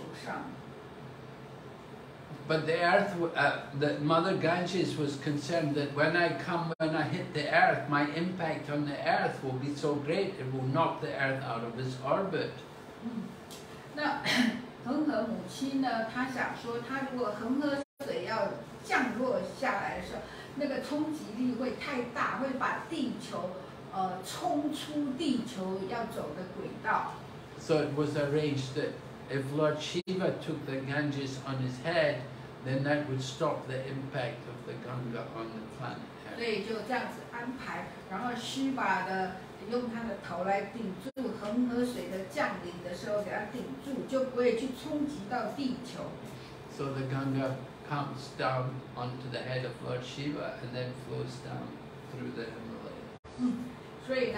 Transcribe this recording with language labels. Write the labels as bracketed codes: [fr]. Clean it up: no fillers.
[zh] 那这个恒河的这个水是从更高的这个星球降临而来。那么这个时候有一个国王，他的儿子要被所谓被杀了，所以这个巴比王呢就把这恒河水带到这个地球上。 [en] But the earth, the Mother Ganges was concerned that when I come, when I hit the earth, my impact on the earth will be so great it will knock the earth out of its orbit. [zh] 那恒河母亲呢，她想说，她如果恒河水要降落下来的时候，那个冲击力会太大，会把地球，冲出地球要走的轨道。 [en] So it was arranged that if Lord Shiva took the Ganges on his head, then that would stop the impact of the Ganga on the planet. [zh] 对，就这样子安排，然后Shiva的用他的头来顶住恒河水的降临的时候，给他顶住，就不会去冲击到地球。 [en] So the Ganga comes down onto the head of Lord Shiva and then flows down through the Himalaya.